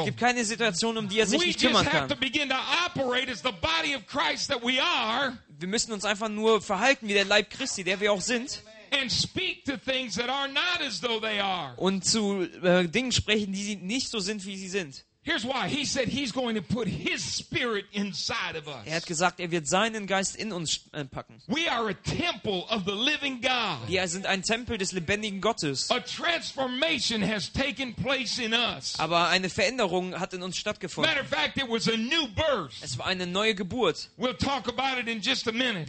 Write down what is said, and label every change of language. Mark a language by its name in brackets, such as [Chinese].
[German] Es gibt keine Situation, die sich nicht kümmern kann. [English] We just have to begin to operate as the body of Christ that we are. [German] Wir müssen uns einfach nur verhalten wie der Leib Christi, der wir auch sind. [English] And speak to things that are not as though they are. [German] Und zu Dingen sprechen, die nicht so sind, wie sie sind. [English] Here's why. He said he's going to put his spirit inside of us. [German] Er hat gesagt, wird seinen Geist in uns packen. [English] We are a temple of the living God. [German] Wir sind ein Tempel des lebendigen Gottes. [English] A transformation has taken place in us. [German] Aber eine Veränderung hat in uns stattgefunden. [English] Matter of fact, it was a new birth. [German] Es war eine neue Geburt. [English] We'll talk about it in just a minute.